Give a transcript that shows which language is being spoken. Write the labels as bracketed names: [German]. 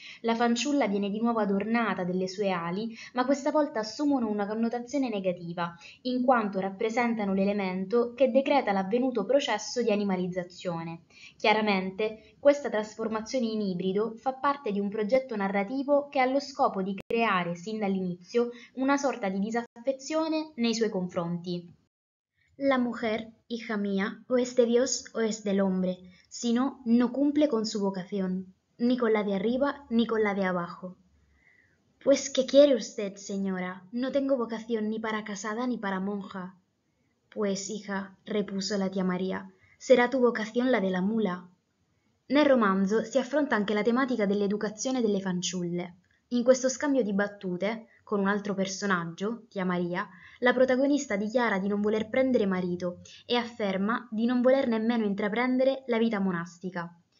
[Italian] La fanciulla viene di nuovo adornata delle sue ali, ma questa volta assumono una connotazione negativa, in quanto rappresentano l'elemento che decreta l'avvenuto processo di animalizzazione. Chiaramente, questa trasformazione in ibrido fa parte di un progetto narrativo che ha lo scopo di creare, sin dall'inizio, una sorta di disaffezione nei suoi confronti. [Spanish] La mujer, hija mía, o es de Dios o es del hombre, si no, no cumple con su vocación, ni con la de arriba ni con la de abajo. Pues, ¿qué quiere usted, señora? No tengo vocación ni para casada ni para monja. Pues, hija, repuso la tía María. [Italian] Sarà tu vocazione la della mula. Nel romanzo si affronta anche la tematica dell'educazione delle fanciulle. In questo scambio di battute, con un altro personaggio, tia Maria, la protagonista dichiara di non voler prendere marito e afferma di non voler nemmeno intraprendere la vita monastica.